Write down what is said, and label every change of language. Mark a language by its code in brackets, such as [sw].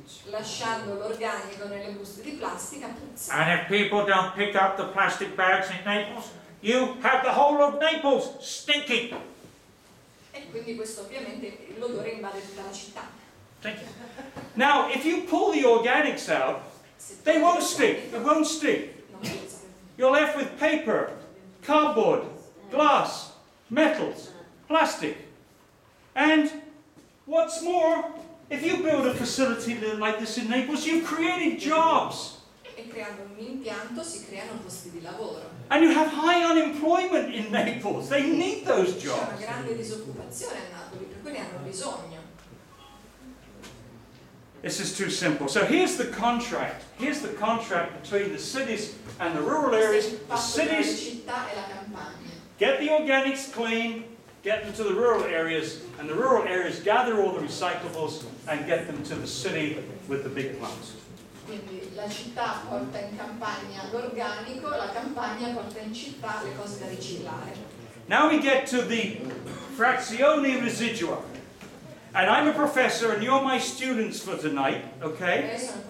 [it] Lasciando l'organico nelle buste di plastica, puzza. [en] And if people don't pick up the plastic bags in Naples, you have the whole of Naples stinking. [it] E quindi questo ovviamente l'odore invade tutta la città. [en] Thank you. Now, if you pull the organics out, they won't stick. It won't stick. You're left with paper, cardboard, glass, metals, plastic. And what's more, if you build a facility like this in Naples, you've created jobs. [it] E creando un impianto si creano posti di lavoro. [en] And you have high unemployment in Naples. They need those jobs. [it] C'è una grande disoccupazione a Napoli, per cui ne hanno bisogno. [en] This is too simple. So here's the contract. Here's the contract between the cities and the rural areas. The cities get the organics clean, get them to the rural areas, and the rural areas gather all the recyclables and get them to the city with the big plants. [it] Quindi la città porta in campagna l'organico, la campagna porta in città le cose da riciclare. [en] Now we get to the frazioni residua. And I'm a professor and you're my students for tonight, okay?